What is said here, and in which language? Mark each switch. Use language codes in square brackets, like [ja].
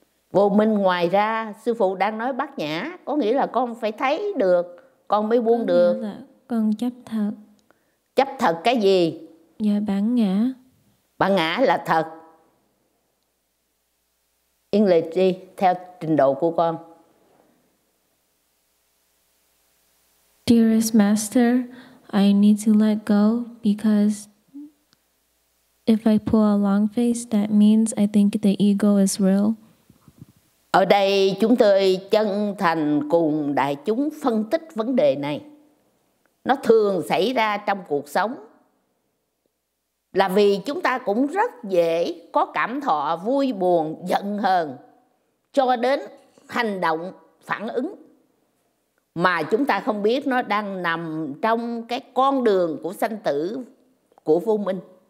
[vi] Vô minh ngoài ra sư phụ đang nói bát nhã, có nghĩa là con phải thấy được con mới buông con được. Con chấp thật. Chấp thật cái gì? Dạ bản ngã. Bản ngã là thật. English đi, theo trình độ của con. [en] Dearest master, I need to let go because if I pull a long face, that means I think the ego is real. [vi] Ở đây chúng tôi chân thành cùng đại chúng phân tích vấn đề này. Nó thường xảy ra trong cuộc sống là vì chúng ta cũng rất dễ có cảm thọ vui buồn, giận hờn cho đến hành động phản ứng mà chúng ta không biết nó đang nằm trong cái con đường của sanh tử của vô minh.